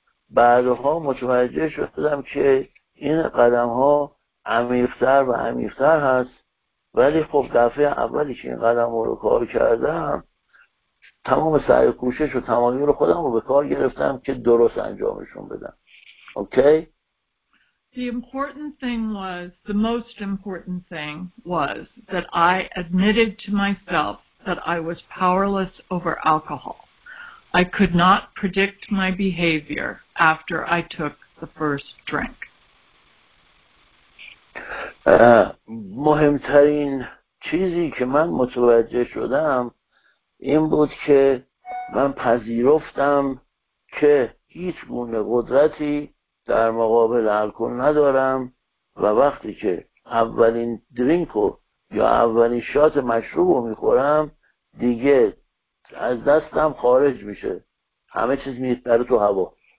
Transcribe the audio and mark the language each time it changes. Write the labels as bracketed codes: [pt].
[fa] بعدها متوجه شدم که این قدم ها عمیق‌تر و عمیق‌تر هست، ولی خب دفعه اولی که این قدم رو کار کردم تمام سعی و کوشش و تمامی رو خودم رو به کار گرفتم که درست انجامشون بدم. [en] Okay? The important thing was, the most important thing was that I admitted to myself that I was powerless over alcohol. I could not predict my behavior after I took the first drink. [fa] مهمترین چیزی که من متوجه شدم این بود که من پذیرفتم که هیچ گونه قدرتی در مقابل الکل ندارم و وقتی که اولین درینکو یا اولین شات مشروب رو میخورم دیگه از دستم خارج میشه، همه چیز میپره تو هوا.